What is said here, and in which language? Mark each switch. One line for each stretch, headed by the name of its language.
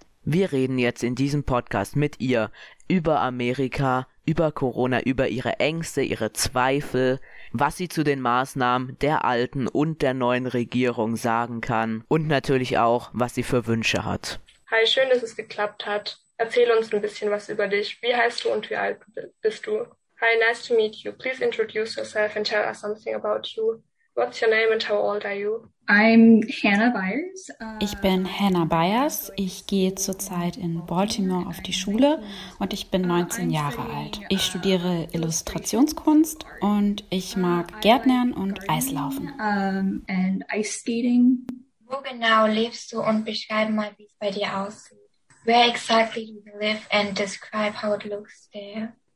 German: Wir reden jetzt in diesem Podcast mit ihr über Amerika, über Corona, über ihre Ängste, ihre Zweifel, was sie zu den Maßnahmen der alten und der neuen Regierung sagen kann und natürlich auch, was sie für Wünsche hat. Hi, schön, dass es geklappt hat. Erzähl uns ein bisschen was über dich. Wie heißt du und wie alt bist du?
English: Hi, nice to meet you. Please introduce yourself and tell us something about you. What's your name and how old are you? I'm Hannah Byers.
German: Ich bin Hannah Byers. Ich gehe zurzeit in Baltimore auf die Schule und ich bin 19 Jahre alt. Ich studiere Illustrationskunst und ich mag Gärtnern und Eislaufen.
English: And ice skating.
German: Wo genau lebst du und beschreib mal, wie es bei dir aussieht?
English: Where exactly do you live and describe how it looks there?